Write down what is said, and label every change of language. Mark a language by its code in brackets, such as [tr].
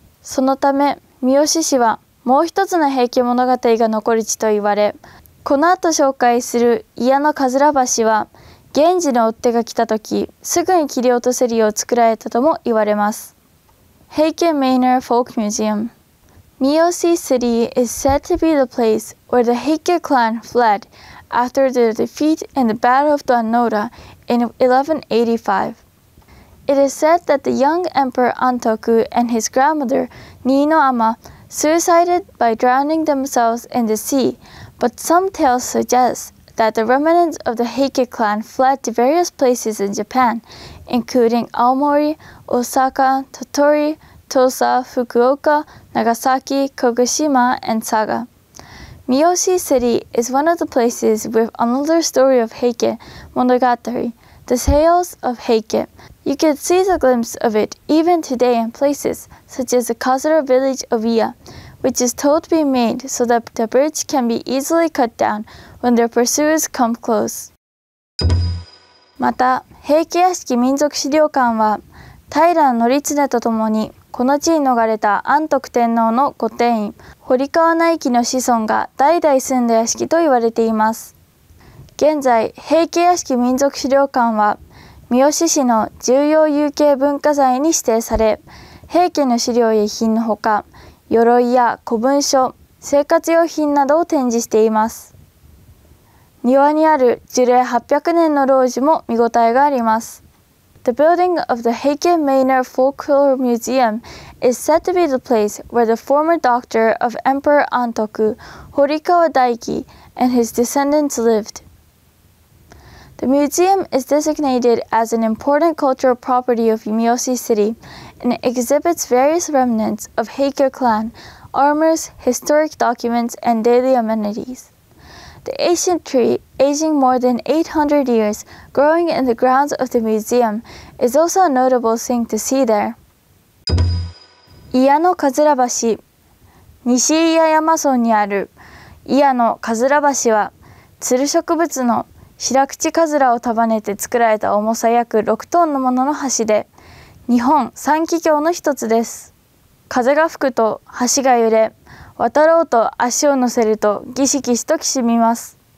[ja] そのため三好市はもう一つの平家物語が残る地と言われ、この後紹介する祖谷のかずら橋は源氏の追っ手が来た時すぐに切り落とせるよう作られたとも言われます。平家マイナーフォークミュージアム。 [en] 三好市 city is said to be the place where the Heike clan fled after their defeat in the Battle of Dan Nora in 1185. It is said that the young emperor Antoku and his grandmother Nino Ama suicided by drowning themselves in the sea, but some tales suggest that the remnants of the Heike clan fled to various places in Japan, including Aomori, Osaka, Tottori, Tosa, Fukuoka, Nagasaki, Kagoshima, and Saga. Miyoshi City is one of the places with another story of Heike, Monogatari, the tales of Heike. You can see the glimpse of it even today in places such as the Kazura village of Iya, which is told to be made so that the bridge can be easily cut down when their pursuers come close. [ja] また、平家屋敷民族資料館は、平範綱とともにこの地に逃れた安徳天皇の御殿院、堀川内記の子孫が代々住んだ屋敷と言われています。現在、平家屋敷民族資料館は、三好市の重要有形文化財に指定され、平家の資料や遺品のほか、鎧や古文書、生活用品などを展示しています。庭にある樹齢800年の老樹も見応えがあります。 [en] The building of the Heike Manor Folklore Museum is said to be the place where the former doctor of Emperor Antoku, 堀川内記 and his descendants lived. The museum is designated as an important cultural property of Miyoshi City and exhibits various remnants of Heike clan, armors, historic documents, and daily amenities. The ancient tree, aging more than 800 years, growing in the grounds of the museum, is also a notable thing to see there. [ja] 祖谷のかずら橋。西祖谷山村にある祖谷のかずら橋は、つる植物の白口カズラを束ねて作られた重さ約6トンのものの橋で、日本三奇橋の一つです。風が吹くと橋が揺れ、渡ろうと足を乗せるとギシギシときしみます。